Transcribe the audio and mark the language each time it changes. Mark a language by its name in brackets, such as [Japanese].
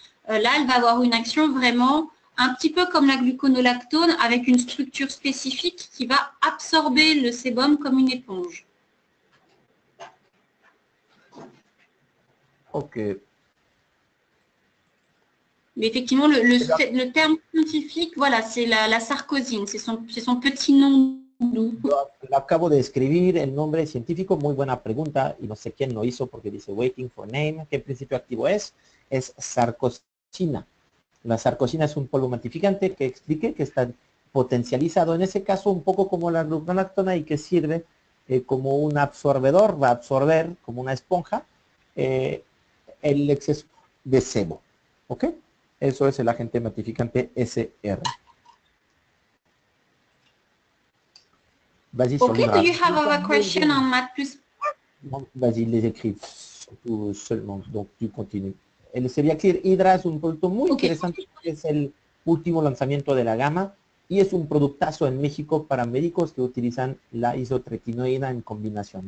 [French] Là, elle va avoir une action vraiment un petit peu comme la gluconolactone avec une structure spécifique qui va absorber le sébum comme une éponge. Ok. Mais effectivement, le terme scientifique, voilà, c'est la sarcosine, c'est son petit nom. [Spanish] Lo acabo de escribir, el nombre científico, muy buena pregunta, y no sé quién lo hizo porque dice [English] waiting for name. [Spanish] ¿Qué principio activo es? Es sarcosina. La sarcosina es un polvo matificante que explique que está potencializado, en ese caso un poco como la gluconactona y que sirve como un absorbedor, va a absorber como una esponja el exceso de sebo, ¿ok? Eso es el agente matificante SR. [French] Vas-y, [English] okay, do you have a question on MAT plus pore? [French] Vas-y, les écrit seulement, donc tu continues. [Spanish] El Celiaclear Hydra es un producto muy interesante, es el último lanzamiento de la gama y es un productazo en México para médicos que utilizan la isotretinoína en combinación.